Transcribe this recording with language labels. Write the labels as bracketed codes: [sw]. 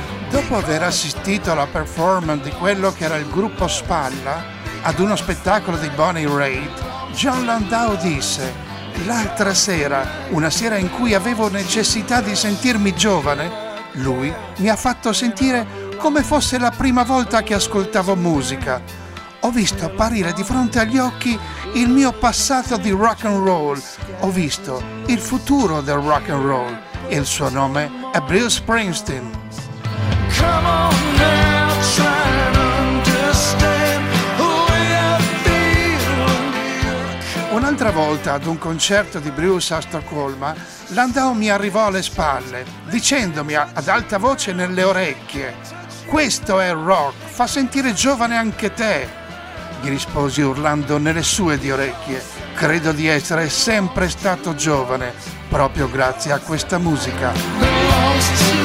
[it] Dopo aver assistito alla performance di quello che era il gruppo Spalla ad uno spettacolo di Bonnie Raitt, John Landau disse: l'altra sera, una sera in cui avevo necessità di sentirmi giovane, lui mi ha fatto sentire come fosse la prima volta che ascoltavo musica. Ho visto apparire di fronte agli occhi il mio passato di rock and roll, ho visto il futuro del rock and roll. Il suo nome è Bruce Springsteen. [en] Come on now, try to understand who you're feeling. [it] Un'altra volta, ad un concerto di Bruce a Stoccolma, Landau mi arrivò alle spalle, dicendomi ad alta voce nelle orecchie: «Questo è rock, fa sentire giovane anche te!» Gli risposi urlando nelle sue di orecchie: «Credo di essere sempre stato giovane, proprio grazie a questa musica!»